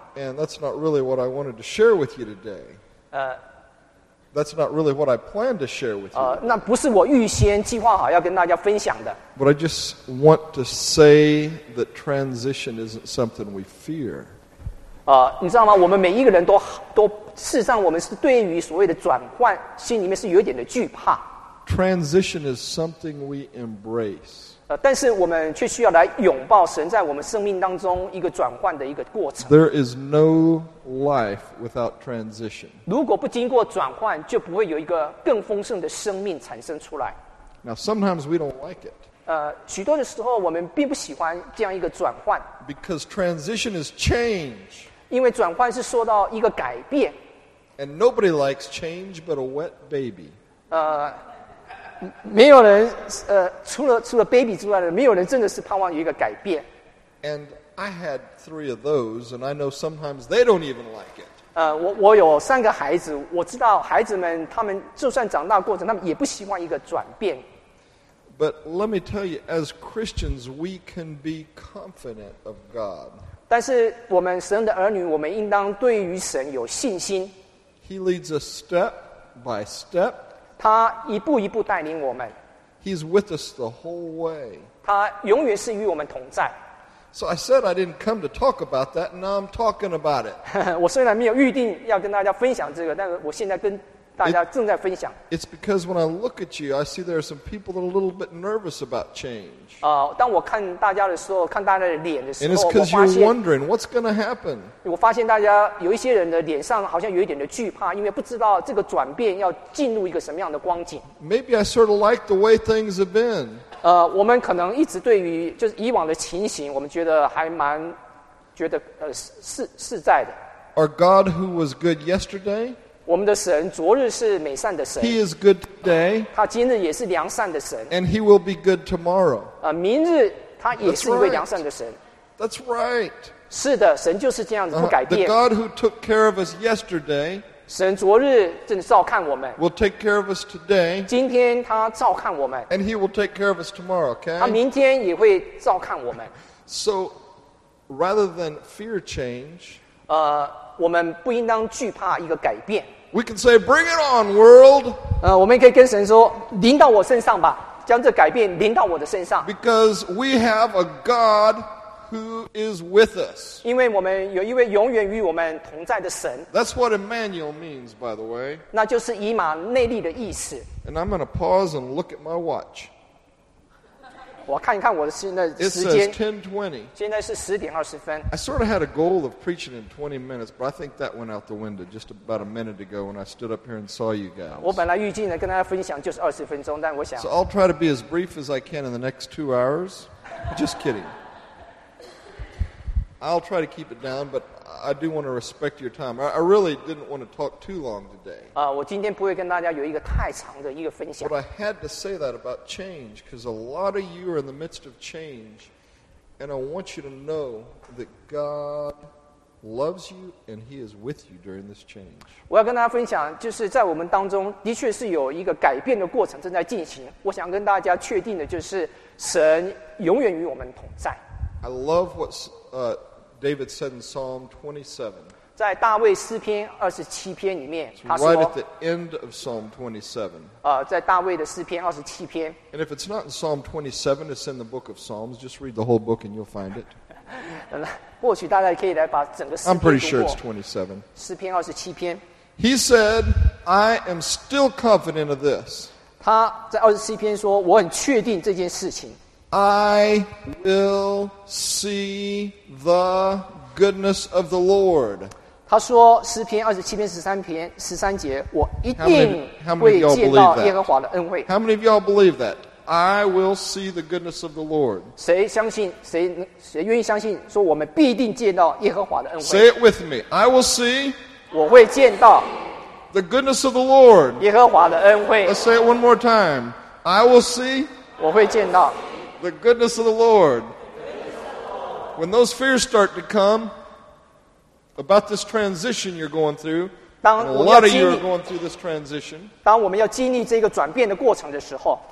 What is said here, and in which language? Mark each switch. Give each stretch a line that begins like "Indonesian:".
English: And that's not really what I wanted to share with you today. That's not really what I planned to share with you.
Chinese: 那不是我预先计划好要跟大家分享的。
English: But I just want to say that transition isn't something we fear.
Chinese: 你知道吗？我们每一个人都事实上，我们是对于所谓的转换，心里面是有点的惧怕。
English: Transition is something we embrace.
Chinese: 但是我们却需要来拥抱神在我们生命当中一个转换的一个过程。
English: There is no life without transition.
Chinese: 如果不经过转换，就不会有一个更丰盛的生命产生出来。
English: Now sometimes we don't like it.
Chinese: 许多的时候我们并不喜欢这样一个转换。
English: Because transition is change.
Chinese: 因为转换是说到一个改变。
English: And nobody likes change but a wet baby.
Chinese: 没有人除了 baby 之外的没有人真的是盼望有一个改变。
English: And I had three of those, and I know sometimes they don't even like it.
Chinese: 我有三个孩子，我知道孩子们他们就算长大过程，他们也不希望一个转变。
English: But let me tell you, as Christians, we can be confident of God.
Chinese: 但是我们神的儿女，我们应当对于神有信心。
English: He leads us step by step.
Chinese: 他一步一步带领我们。
English: He's with us the whole way.
Chinese: 他永远是与我们同在。
English: So I said I didn't come to talk about that, and now I'm talking about it.
Chinese: 我虽然没有预定要跟大家分享这个，但是我现在跟大家正在分享。
English: It's because when I look at you, I see there are some people that are a little bit nervous about change.
Chinese: 当我看大家的时候，看大家的脸的时候，我发现。
English: And it's because you're wondering what's going to happen.
Chinese: 我发现大家有一些人的脸上好像有一点的惧怕，因为不知道这个转变要进入一个什么样的光景。
English: Maybe I sort of like the way things have been.
Chinese: 我们可能一直对于就是以往的情形，我们觉得还蛮觉得是在的。
English: Our God who was good yesterday.
Chinese: 我们的神昨日是美善的神。
English: He is good today.
Chinese: 他今日也是良善的神。
English: And he will be good tomorrow.
Chinese: 明日他也是一位良善的神。
English: That's right.
Chinese: 是的，神就是这样子不改变。
English: The God who took care of us yesterday.
Chinese: 神昨日正照看我们。
English: Will take care of us today.
Chinese: 今天他照看我们。
English: And he will take care of us tomorrow. Okay.
Chinese: 他明天也会照看我们。
English: So, rather than fear change.
Chinese: 我们不应当惧怕一个改变。
English: We can say, "Bring it on, world!"
Chinese: 我们可以跟神说，临到我身上吧，将这改变临到我的身上。
English: Because we have a God who is with us.
Chinese: 因为我们有一位永远与我们同在的神。
English: That's what Emmanuel means, by the way.
Chinese: 那就是以马内利的意思。
English: And I'm going to pause and look at my watch.
Chinese: 我看一看我的时间。
English: It says 10:20.
Chinese: 现在是10:20.
English: I sort of had a goal of preaching in 20 minutes, but I think that went out the window just about a minute ago when I stood up here and saw you guys.
Chinese: 我本来预计呢跟大家分享就是二十分钟，但我想。
English: So I'll try to be as brief as I can in the next 2 hours. Just kidding. I'll try to keep it down, but I do want to respect your time. I really didn't want to talk too long today.
Chinese: 我今天不会跟大家有一个太长的一个分享。
English: But I had to say that about change, because a lot of you are in the midst of change, and I want you to know that God loves you and He is with you during this change.
Chinese: 我要跟大家分享，就是在我们当中的确是有一个改变的过程正在进行。我想跟大家确定的就是，神永远与我们同在。
English: I love what's David said in Psalm 27.
Chinese: 在大卫诗篇二十七篇里面，他说
English: ，Right at the end of Psalm 27.
Chinese: 在大卫的诗篇二十七篇。
English: And if it's not in Psalm 27, it's in the book of Psalms. Just read the whole book, and you'll find it.
Chinese: 或许大家可以来把整个诗篇读过。
English: I'm pretty sure it's 27.
Chinese: 诗篇二十七篇。
English: He said, "I am still confident of this."
Chinese: 他在二十七篇说，我很确定这件事情。
English: I will see the goodness of the Lord.
Chinese: 他说诗篇二十七篇十三篇十三节，我一定会见到耶和华的恩惠。
English: How many of y'all believe that? I will see the goodness of the Lord.
Chinese: 谁相信？谁愿意相信？说我们必定见到耶和华的恩惠。
English: Say it with me. I will see.
Chinese: 我会见到
English: the goodness of the Lord.
Chinese: 耶和华的恩惠。
English: Let's say it one more time. I will see.
Chinese: 我会见到。
English: The goodness of the Lord. When those fears start to come about this transition you're going through, and a lot of you are going through this transition.
Chinese: 当我们要经历这个转变的过程的时候